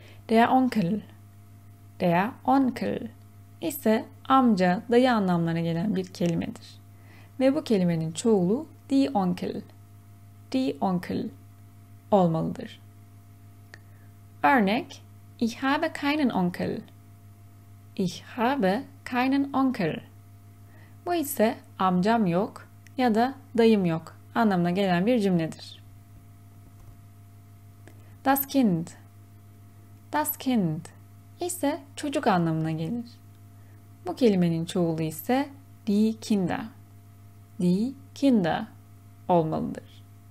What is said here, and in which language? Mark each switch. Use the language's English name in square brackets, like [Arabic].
[Turkish] Der Onkel ise amca, dayı anlamlarına gelen bir kelimedir. Ve bu kelimenin çoğulu die Onkel olmalıdır. [German] Örnek: Ich habe keinen Onkel. Ich habe keinen Onkel. [Turkish] Bu ise amcam yok ya da dayım yok anlamına gelen bir cümledir. Das Kind. Das Kind ise çocuk anlamına gelir. Bu kelimenin çoğulu ise die Kinder. Die Kinder olmalıdır.